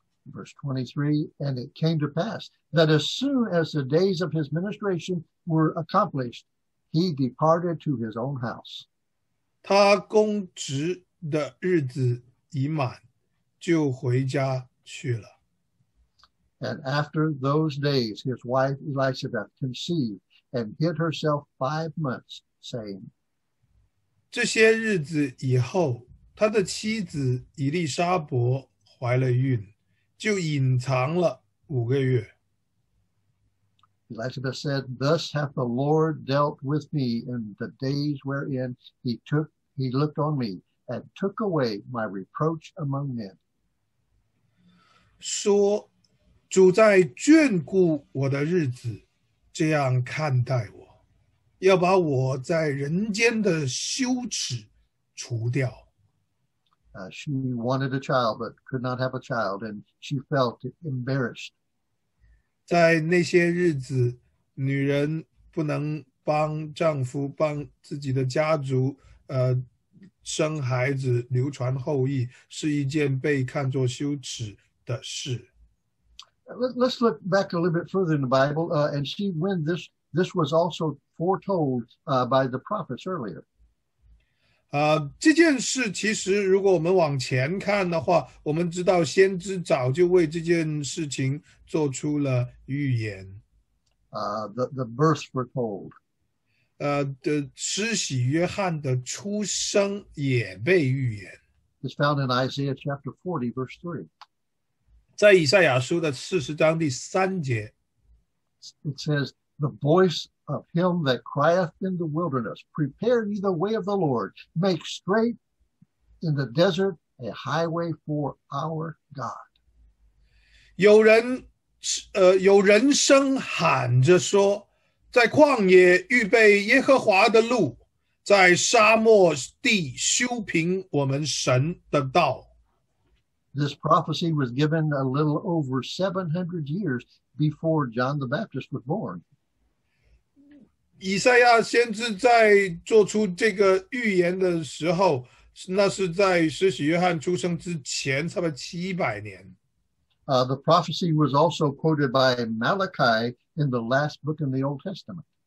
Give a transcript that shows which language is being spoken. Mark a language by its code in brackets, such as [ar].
[en] Verse 23, And it came to pass that as soon as the days of his ministration were accomplished, he departed to his own house. [zh] 他供职的日子已满，就回家去了。 [en] And after those days, his wife Elizabeth conceived and hid herself 5 months, saying, [zh] 这些日子以后，他的妻子以利沙伯怀了孕。就隐藏了五个月。 [en] Elizabeth said, Thus hath the Lord dealt with me in the days wherein he looked on me and took away my reproach among men. [zh] 说主在眷顾我的日子这样看待我，要把我在人间的羞耻除掉。 [en] She wanted a child, but could not have a child, and she felt embarrassed. [zh] 在那些日子，女人不能帮丈夫、帮自己的家族，生孩子、流传后裔，是一件被看作羞耻的事。 [en] Let's look back a little bit further in the Bible, and see when this was also foretold, by the prophets earlier. [zh] 这件事其实如果我们往前看的话，我们知道先知早就为这件事情做出了预言。 [en] The birth foretold. [zh] 施洗约翰的出生也被预言。 [en] It's found in Isaiah chapter 40, verse 3. [zh] 在以赛亚书的40章第3节。 [en] It says, the voice of him that crieth in the wilderness, prepare ye the way of the Lord, make straight in the desert a highway for our God. [zh] 有人声喊着说, 在旷野预备耶和华的路, 在沙漠地修平我们神的道。 [en] This prophecy was given a little over 700 years before John the Baptist was born. [zh] 以赛亚先知在做出这个预言的时候, 那是在施洗约翰出生之前差不多700年。 [en] The prophecy was also quoted by Malachi in the last book in the Old Testament.